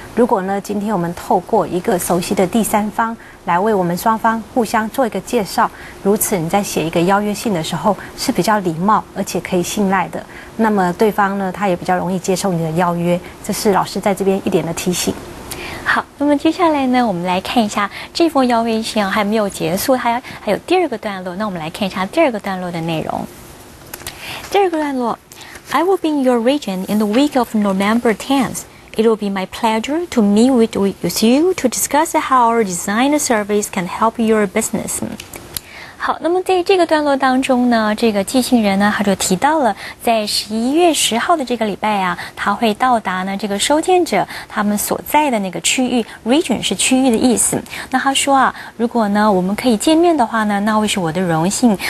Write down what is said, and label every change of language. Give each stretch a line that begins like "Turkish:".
Chinese: 如果呢，今天我们透过一个熟悉的第三方来为我们双方互相做一个介绍，如此你在写一个邀约信的时候是比较礼貌而且可以信赖的，那么对方呢，他也比较容易接受你的邀约。这是老师在这边一点的提醒。好，那么接下来呢，我们来看一下这封邀约信还没有结束，还有第二个段落。那我们来看一下第二个段落的内容。
English: 第二个段落， I will be in your region in the week of November 10th. It will be my pleasure to meet with you to discuss how our design service can help your business.
Chinese: 好，那么在这个段落当中呢，这个寄信人呢，他就提到了在11月10号的这个礼拜啊，他会到达呢这个收件者他们所在的那个区域。 region 是区域的意思。那他说啊，如果呢我们可以见面的话呢，那会是我的荣幸。